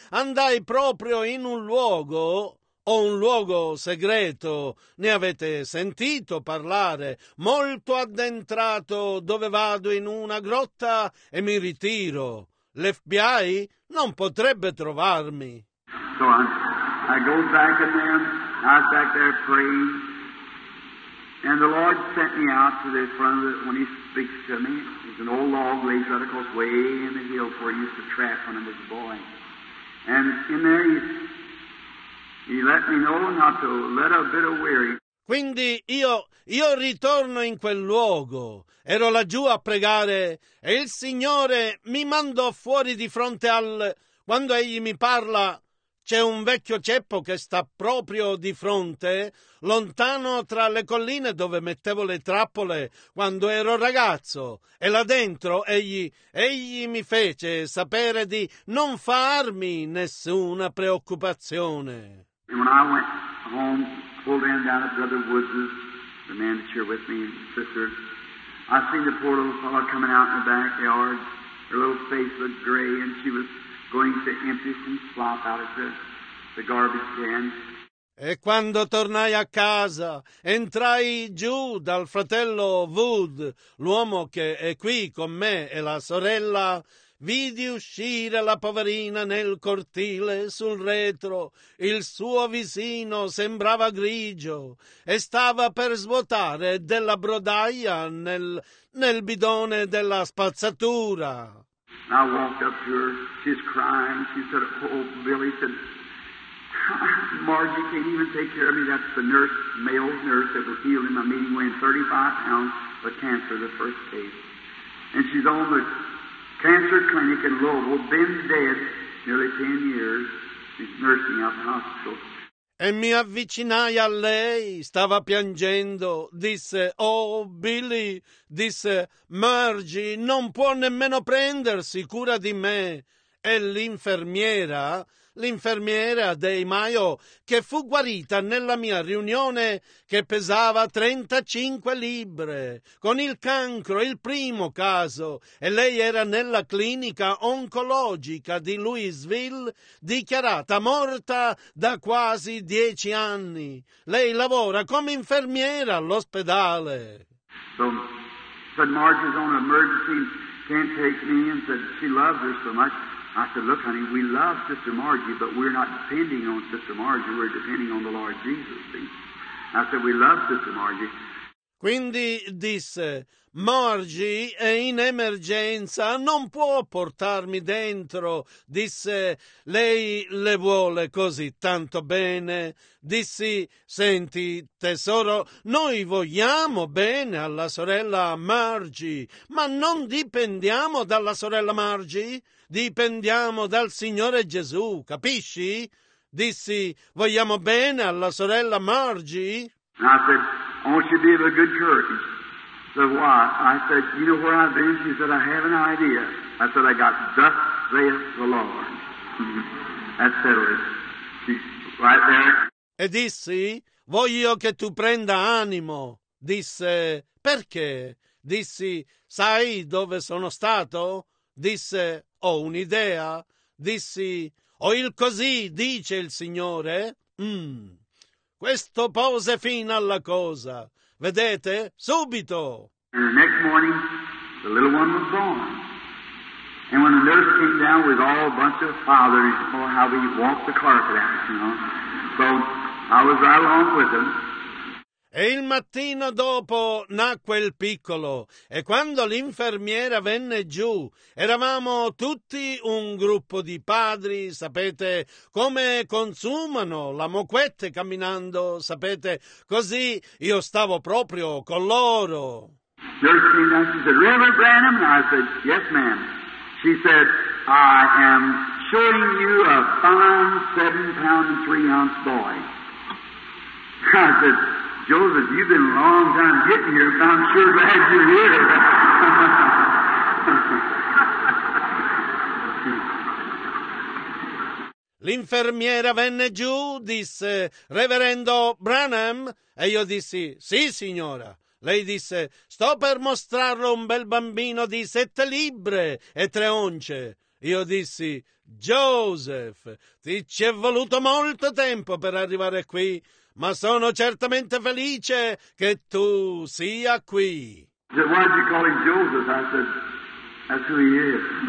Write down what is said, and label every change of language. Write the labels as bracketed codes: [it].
[it] Andai proprio in un luogo, o un luogo segreto, ne avete sentito parlare, molto addentrato, dove vado in una grotta e mi ritiro. L'FBI non potrebbe trovarmi. [en] So I go back to them, I back there praying. And the Lord sent me out to the front of the, when he speaks to me, it's an old log lays right across way in the hill where he used to trap when I was a boy. And in there he let me know not to let a bit of weary. [it] Quindi io ritorno in quel luogo, ero laggiù a pregare e il Signore mi mandò fuori di fronte al, quando egli mi parla, c'è un vecchio ceppo che sta proprio di fronte, lontano tra le colline dove mettevo le trappole quando ero ragazzo. E là dentro egli mi fece sapere di non farmi nessuna preoccupazione. [en] And when I went home, pulled in down at Brother Woods's, the man that's here with me, and sister, I seen the poor little fellow coming out in the backyard. Her little face looked gray and she was going to empty some slop out of the garbage can. [it] E quando tornai a casa, entrai giù dal fratello Wood, l'uomo che è qui con me e la sorella, vidi uscire la poverina nel cortile sul retro. Il suo visino sembrava grigio e stava per svuotare della brodaia nel bidone della spazzatura. [en] I walked up to her. She's crying. She said, "Oh, Billy," said, "Margie can't even take care of me." That's the nurse, male nurse that was healing my meeting, weighing 35 pounds of cancer, the first case. And she's on the cancer clinic in Louisville, been dead nearly 10 years. She's nursing out in the hospital. [it] E mi avvicinai a lei, stava piangendo, disse, "Oh, Billy," disse, "Margie non può nemmeno prendersi cura di me." E l'infermiera dei Mayo, che fu guarita nella mia riunione, che pesava 35 libbre, con il cancro, il primo caso, e lei era nella clinica oncologica di Louisville, dichiarata morta da quasi 10 anni. Lei lavora come infermiera all'ospedale. [en] So, said Marge is on emergency, can't take me, and said she loves her so much. I said, "Look, honey, we love Sister Margie, but we're not depending on Sister Margie, we're depending on the Lord Jesus." See? I said, "We love Sister Margie." [it] Quindi disse, "Margie è in emergenza, non può portarmi dentro." Disse, "Lei le vuole così tanto bene." Dissi, "Senti, tesoro, noi vogliamo bene alla sorella Margie, ma non dipendiamo dalla sorella Margie, dipendiamo dal Signore Gesù, capisci?" Dissi, "Vogliamo bene alla sorella Margie?" [en] Nothing. I want you to be of a good courage. So why? I said, "You know where I've been?" She said, "I have an idea." I said, "I got thus saith the Lord." That settled it. She's right there. [it] E dissi, "Voglio che tu prenda animo." Disse, "Perché?" Dissi, "Sai dove sono stato?" Disse, "Ho un'idea." Dissi, "Ho il così, dice il Signore." Questo pose fine alla cosa. Vedete? Subito! [en] And the next morning, the little one was born. And when the nurse came down with all a bunch of fathers, oh, how we walked the carpet out, you know. So I was right along with them. [it] E il mattino dopo nacque il piccolo, e quando l'infermiera venne giù, eravamo tutti un gruppo di padri, sapete, come consumano la moquette camminando, sapete, così io stavo proprio con loro. [en] Nurse came down, she said, "Reverend Branham?" And I said, "Yes, ma'am." She said, "I am showing you a fine 7-pound-3-ounce boy." I said, "Joseph, you've been a long time getting here, but I'm sure glad you're here." [it] L'infermiera venne giù, disse, "Reverendo Branham?" E io dissi, "Sì, signora." Lei disse, "Sto per mostrarlo un bel bambino di 7 libbre e 3 once. Io dissi, "Joseph, ti ci è voluto molto tempo per arrivare qui, ma sono certamente felice che tu sia qui." [en] "Why did you call him Joseph?" I said, "That's who he is."